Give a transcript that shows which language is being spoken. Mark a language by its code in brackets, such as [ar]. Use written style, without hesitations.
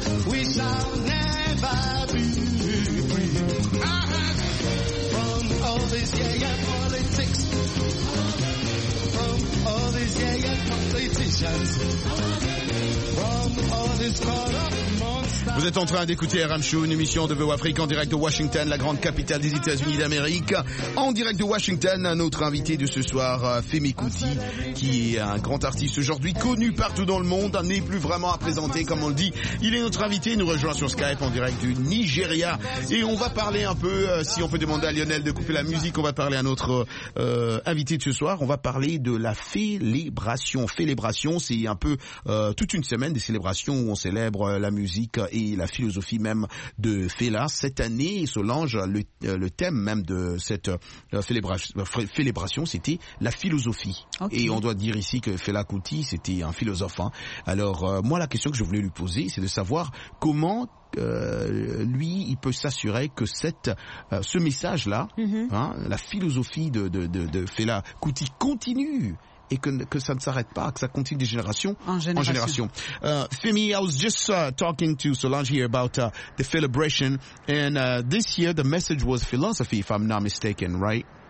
[en] We shall never be free from all this yeah politics. All these politicians, from all these corrupt monsters. [fr] Vous êtes en train d'écouter RM Show, une émission de VO Afrique en direct de Washington, la grande capitale des États-Unis d'Amérique. En direct de Washington, notre invité de ce soir, Femi Kuti, qui est un grand artiste aujourd'hui, connu partout dans le monde, n'est plus vraiment à présenter, comme on le dit. Il est notre invité, nous rejoint sur Skype en direct du Nigeria. Et on va parler un peu, si on peut demander à Lionel de couper la musique, on va parler à notre invité de ce soir, on va parler de la célébration. Célébration, c'est un peu toute une semaine des célébrations où on célèbre la musique et la philosophie même de Fela. Cette année, Solange, le thème même de cette célébration, c'était la philosophie. Okay. Et on doit dire ici que Fela Kuti, c'était un philosophe. Hein. Alors, moi, la question que je voulais lui poser, c'est de savoir comment lui, il peut s'assurer que ce message-là, la philosophie de Fela Kuti continue et que ça ne s'arrête pas, que ça continue des générations en génération. [en] Femi, I was just talking to Solange here about the celebration, and this year the message was philosophy, if I'm not mistaken, right?